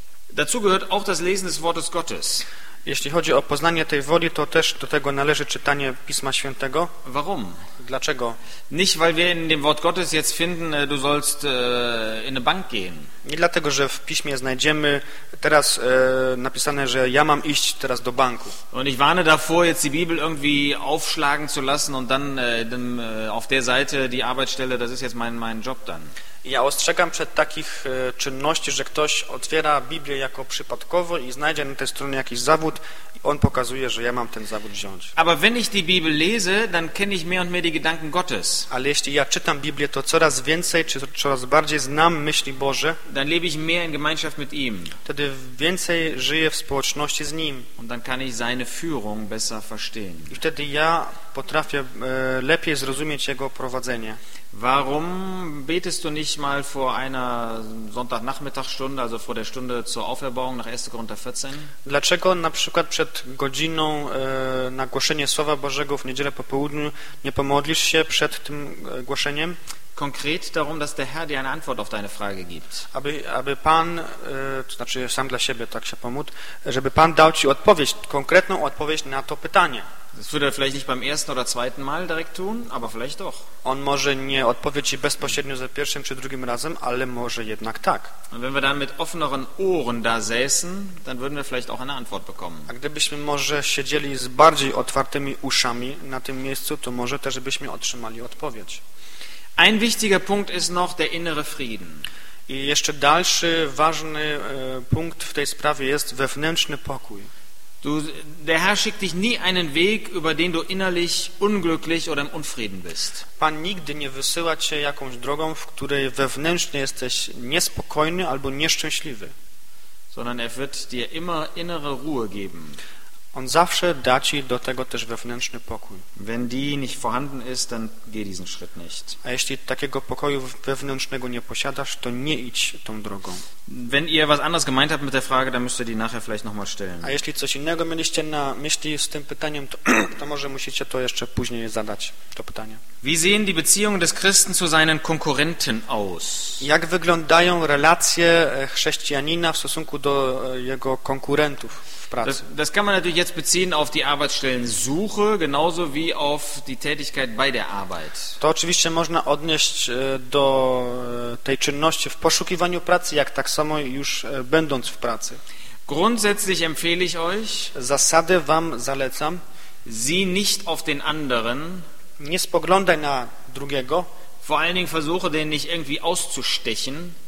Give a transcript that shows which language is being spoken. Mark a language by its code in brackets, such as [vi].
[de] Dazu gehört auch das Lesen des Wortes Gottes. [pl] Jeśli chodzi o poznanie tej woli, to też do tego należy czytanie Pisma Świętego. [de] Warum? [pl] Dlaczego? [de] Nicht weil wir in dem Wort Gottes jetzt finden, du sollst in eine Bank gehen. [pl] Nie dlatego, że w Piśmie znajdziemy teraz napisane, że ja mam iść teraz do banku. [de] Und ich warne davor, jetzt die Bibel irgendwie aufschlagen zu lassen und dann auf der Seite die Arbeitsstelle, das ist jetzt mein Job dann. [pl] Ja ostrzegam przed takich czynności, że ktoś otwiera Biblię jako przypadkowo i znajdzie na tej stronie jakiś zawód i on pokazuje, że ja mam ten zawód wziąć. [de] Aber wenn ich die Bibel lese, dann kenne ich mehr und mehr die Gedanken Gottes. [pl] Ale jeśli ja czytam Biblię, to coraz więcej czy coraz bardziej znam myśli Boże. [de] Dann lebe ich mehr in Gemeinschaft mit ihm. [pl] Wtedy więcej żyję w społeczności z nim. [de] Und dann kann ich seine Führung besser verstehen. [pl] I wtedy ja potrafię lepiej zrozumieć jego prowadzenie. [de] Warum betest du nicht mal vor einer Sonntagnachmittagsstunde, also vor der Stunde zur Auferbauung nach 1. Korinther 14? [pl] Dlaczego na przykład przed godziną na głoszenie Słowa Bożego w niedzielę po południu nie pomodlisz się przed tym głoszeniem? [de] Konkret darum, dass der Herr dir eine Antwort auf deine Frage gibt. [pl] Aby Pan, to znaczy sam dla siebie tak się pomódl, żeby Pan dał ci odpowiedź, konkretną odpowiedź na to pytanie. [de] Das würde er vielleicht nicht beim ersten oder zweiten Mal direkt tun, aber vielleicht doch. [pl] On może nie odpowiedzi bezpośrednio za pierwszym czy drugim razem, ale może jednak tak. [de] Und wenn wir dann mit offeneren Ohren da säßen, dann würden wir vielleicht auch eine Antwort bekommen. [pl] A gdybyśmy może siedzieli z bardziej otwartymi uszami na tym miejscu, to może też byśmy otrzymali odpowiedź. [de] Ein wichtiger Punkt ist noch der innere Frieden. [pl] I jeszcze dalszy ważny punkt w tej sprawie jest wewnętrzny pokój. [de] Der Herr schickt dich nie einen Weg, über den du innerlich unglücklich oder im Unfrieden bist. [pl] Pan nigdy nie wysyła cię jakąś drogą, w której wewnętrznie jesteś niespokojny albo nieszczęśliwy. [de] Sondern er wird dir immer innere Ruhe geben. [pl] On zawsze da ci do tego też wewnętrzny pokój. [de] Wenn die nicht vorhanden ist, dann geh diesen Schritt nicht. [pl] A jeśli takiego pokoju wewnętrznego nie posiadasz, to nie idź tą drogą. [de] Wenn ihr was anderes gemeint habt mit der Frage, dann müsst ihr die nachher vielleicht nochmal stellen. [pl] A jeśli coś innego mieliście na myśli z tym pytaniem, to może musicie to jeszcze później zadać, to pytanie. [de] Wie sehen die Beziehungen des Christen zu seinen Konkurrenten aus? [pl] Jak wyglądają relacje chrześcijanina w stosunku do jego konkurentów? [de] Das kann man natürlich jetzt beziehen auf die Arbeitsstellensuche, genauso wie auf die Tätigkeit bei der Arbeit. [pl] To oczywiście można odnieść do tej czynności w poszukiwaniu pracy, jak tak samo już będąc w pracy. [de] Grundsätzlich empfehle ich euch, [pl] zasady wam zalecam, [de] sieh nicht auf den anderen, [pl] nie spoglądaj na drugiego, [de] vor allen Dingen versuche den nicht irgendwie auszustechen,